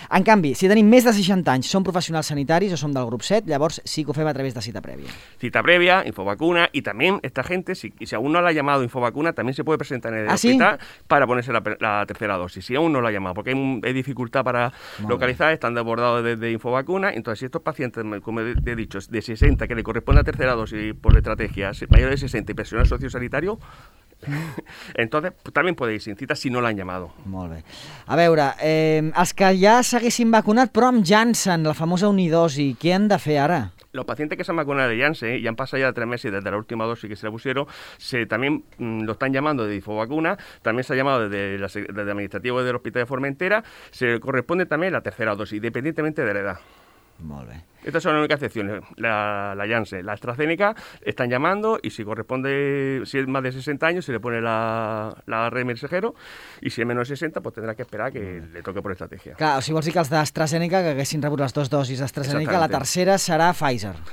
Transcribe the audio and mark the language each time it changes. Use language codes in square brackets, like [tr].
[ca] En canvi, si tenim més de 60 anys, som professionals sanitaris o som del grup 7, llavors sí que ho fem a través de cita prèvia. Cita prèvia, [es] Infovacuna, [ca] i també [es] esta gent, [ca] si algú no l'ha llamat [es] Infovacuna, també se puede presentar en el hospital, ¿sí?, para ponerse la tercera dosis, si aún no lo ha llamado, porque hay dificultad para localizar, están desbordados desde Infovacuna. Entonces, si estos pacientes, como he dicho, de 60, que le corresponde a tercera dosis por la estrategia, mayor de 60 y personal sociosanitario, Entonces, pues, [ca] també podeu [es] ir sin cita si no l'han llamado. [ca] Molt bé. A veure, els que ja s'haguessin vacunat, però amb Janssen, la famosa unidosi, què han de fer ara? [es] Los pacientes que se han vacunado de Janssen y han pasado ya 3 meses desde la última dosis que se la pusieron, lo están llamando de Infovacuna, también se ha llamado desde administrativo del Hospital de Formentera, se le corresponde también la tercera dosis, independientemente de la edad. Muy bien. Estas son las únicas excepciones, la Janssen. La AstraZeneca están llamando y si corresponde, si es más de 60 años, se le pone la ARN mensajero y si es menos de 60, pues tendrá que esperar que le toque por estrategia. [ca] Claro, si vols dir que els d'AstraZeneca que haguessin rebut les dues dosis d'AstraZeneca, la tercera serà Pfizer.